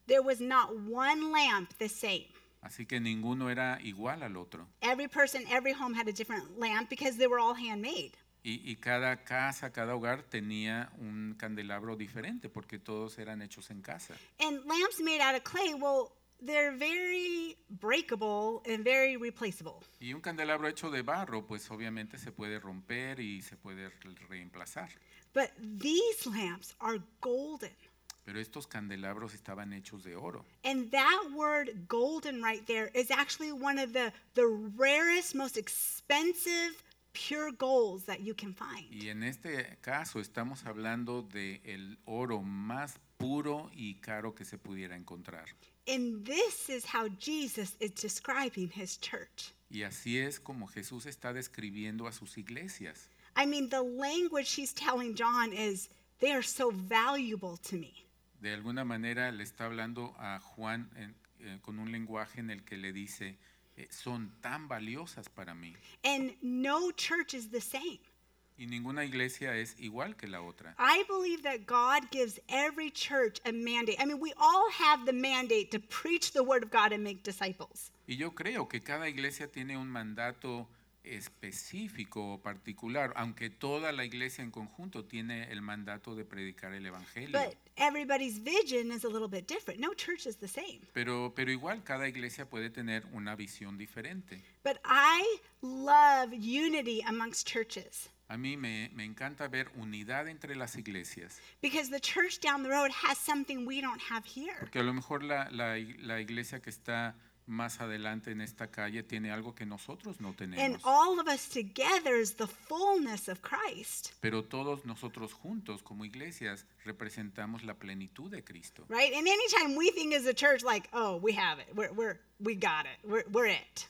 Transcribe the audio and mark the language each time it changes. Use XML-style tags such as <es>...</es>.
<en>There was not one lamp the same.</en> <es>Así que ninguno era igual al otro.</es> <en>Every person, every home had a different lamp because they were all handmade.</en> <es>Y cada casa, cada hogar tenía un candelabro diferente porque todos eran hechos en casa.</es> <en>And lamps made out of clay, well, they're very breakable and very replaceable.</en> <es>Y un candelabro hecho de barro, pues obviamente se puede romper y se puede reemplazar.</es> <en>But these lamps are golden.</en> <es>Pero estos candelabros estaban hechos de oro.</es> <en>And that word golden right there is actually one of the rarest, most expensive pure golds that you can find.</en> <es>Y en este caso estamos hablando de el oro más puro y caro que se pudiera encontrar.</es> <en>And this is how Jesus is describing his church.</en> <es>Y así es como Jesús está describiendo a sus iglesias.</es> <en>I mean, the language he's telling John is, they are so valuable to me.</en> <es>De alguna manera le está hablando a Juan con un lenguaje en el que le dice, son tan valiosas para mí.</es> <en>And no church is the same.</en> <es>Y ninguna iglesia es igual que la otra.</es> <en>I believe that God gives every church a mandate. I mean, we all have the mandate to preach the word of God and make disciples.</en> <es>Y yo creo que cada iglesia tiene un mandato específico o particular, aunque toda la iglesia en conjunto tiene el mandato de predicar el evangelio.</es> <en>But everybody's vision is a little bit different. No church is the same.</en> <es>Pero igual cada iglesia puede tener una visión diferente.</es> <en>But I love unity amongst churches.</en> <es>A mí me encanta ver unidad entre las iglesias.</es> <en>Because the church down the road has something we don't have here.</en> <es>Porque a lo mejor la iglesia que está más adelante en esta calle tiene algo que nosotros no tenemos.</es> <en>And all of us together is the fullness of Christ.</en> <es>Pero todos nosotros juntos como iglesias representamos la plenitud de Cristo.</es> <en>Right? And anytime we think as a church, like, oh, we have it, we got it, we're it.</en>